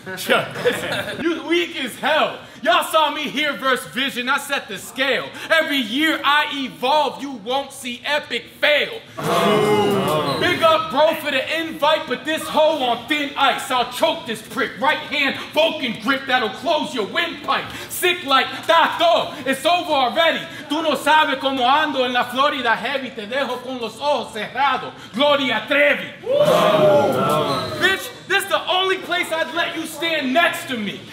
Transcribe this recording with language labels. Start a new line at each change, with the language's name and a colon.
English: You weak as hell. Y'all saw me here versus Vision, I set the scale. Every year I evolve, you won't see Epyk fail. Big up bro for the invite, but this hole on thin ice. I'll choke this prick, right hand Vulcan grip that'll close your windpipe. Sick like Tato, it's over already.
Spanish: Tú no sabes cómo ando en la Florida heavy. Te dejo con los ojos cerrados. Gloria Trevi.
English: Bitch, this is the only place I'd let you stand next to me.